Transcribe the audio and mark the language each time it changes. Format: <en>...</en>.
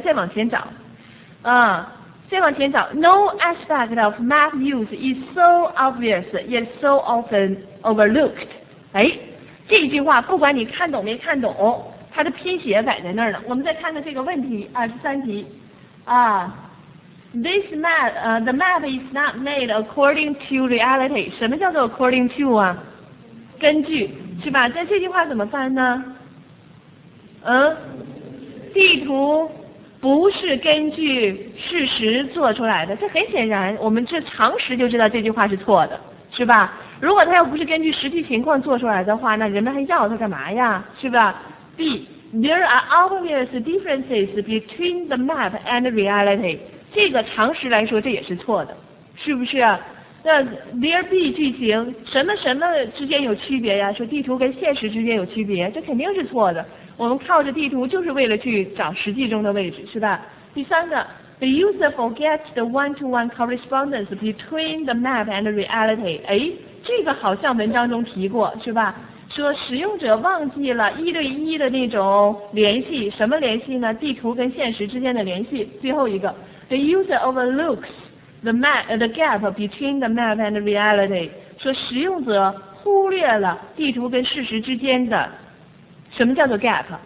<zh>再往前找</zh> <en>No aspect of math use is so obvious yet so often overlooked。</en> <zh>哎，这句话不管你看懂没看懂，它的拼写摆在那儿了。我们再看看这个问题，23题啊。</zh> <en>This map, the map is not made according to reality。</en> <zh>什么叫做 according to 啊？根据，是吧？那这句话怎么翻呢？嗯，地图不是根据事实做出来的。这很显然，我们这常识就知道这句话是错的，是吧？如果它要不是根据实际情况做出来的话，那人们还要它干嘛呀？是吧？</zh> <en>B, there are obvious differences between the map and reality。</en> <zh>这个常识来说这也是错的，是不是？那 there be 句型什么什么之间有区别呀？说地图跟现实之间有区别，这肯定是错的。我们靠着地图就是为了去找实际中的位置，是吧？第三个，</zh> <en>the user forgets the one-to-one correspondence between the map and the reality。</en> <zh>哎，这个好像文章中提过，是吧？说使用者忘记了一对一的那种联系，什么联系呢？地图跟现实之间的联系。最后一个，</zh> <en>The user overlooks the map, the gap between the map and reality。</en> <zh>说使用者忽略了地图跟事实之间的什么叫做 gap？</zh>